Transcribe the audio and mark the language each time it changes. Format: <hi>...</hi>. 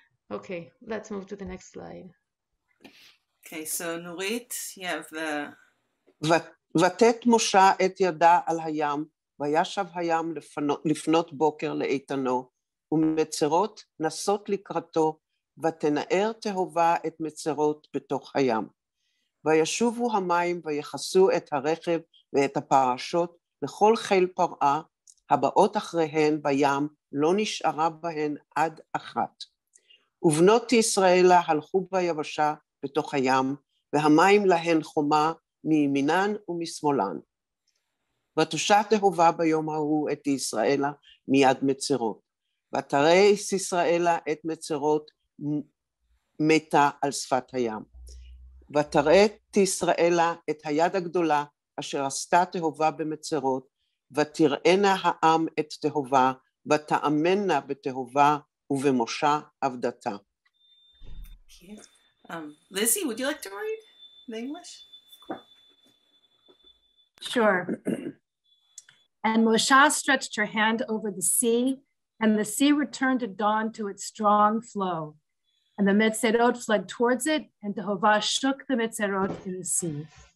<en>Okay, let's move to the next slide. Okay, so Nurit, you have the...</en> <he>ותת משה את ידה על הים, וישב הים לפנות בוקר לאיתנו, ומצרות נסות לקראתו, ותנער תהובה את מצרות בתוך הים. וישובו המים ויחסו את הרכב ואת הפרשות לכל חיל פרעה, הבאות אחריהן בים לא נשארה בהן עד אחת. ובנות ישראלה הלכו ביבשה, בתוך הים, והמים להן חומה מימינן ומשמאלן. ותושה תהובה ביום ההוא את ישראלה מיד מצרות. ותראה ישראלה את מצרות מתה על שפת הים. ותראה ישראלה את היד הגדולה אשר עשתה תהובה במצרות, ותראינה העם את תהובה, ותאמנה בתהובה ובמושה עבדתה.</he> <en>Lizzie, would you like to read the English? Sure. And Moshe stretched her hand over the sea, and the sea returned at dawn to its strong flow. And the Metzerot fled towards it, and Tehovah shook the Metzerot in the sea.</en>